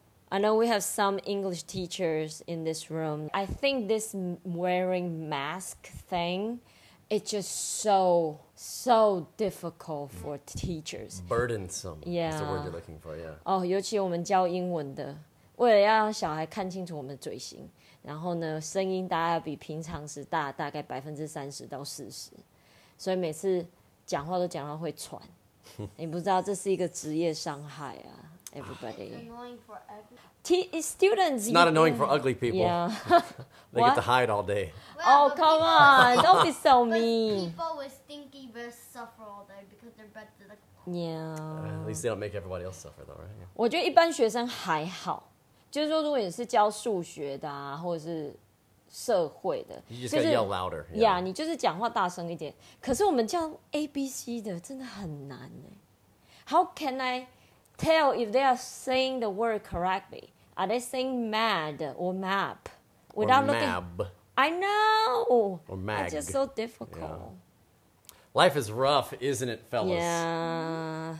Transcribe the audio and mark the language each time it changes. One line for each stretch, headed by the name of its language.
English: I know we have some English teachers in this room. I think this wearing mask thing, it's just so difficult for teachers. Burdensome. Yeah. That's the word you're looking for, yeah.
Chinese: Oh, 尤其我们教英文的。为了要让小孩看清楚我们的嘴型, 然后呢, 声音大概比平常时大, 大概 30%到40%, 所以每次讲话都讲到会喘, 你不知道这是一个职业伤害啊, everybody.
English: It's annoying for ugly. Students, it's not annoying for ugly people. Yeah. They get to hide all day. Well, oh, come on, don't be so mean. People with stinky breath suffer all day because their breath is like... Yeah. At least they don't make everybody else suffer though, right? Yeah.
Chinese: 我觉得一般学生还好, 就是说如果你是教数学的啊或者是社会的
English: You just gotta yell louder. Yeah, yeah,
Chinese: 你就是讲话大声一点。可是我们教ABC的真的很难耶。
English: How can I tell if they are saying the word correctly? Are they saying mad or map? Without or mab. Looking, I know! Or mag. It's just so difficult. Yeah. Life is rough, isn't it, fellas? Yeah.